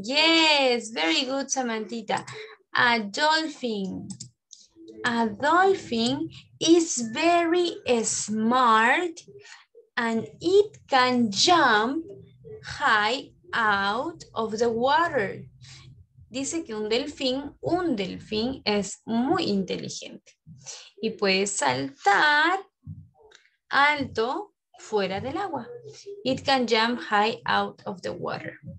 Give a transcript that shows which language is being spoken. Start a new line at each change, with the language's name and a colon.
English: Yes, very good, Samantita. A dolphin. A dolphin is very smart and it can jump high out of the water.
Spanish: Dice que un delfín es muy inteligente y puede saltar alto fuera del agua.
English: It can jump high out of the water.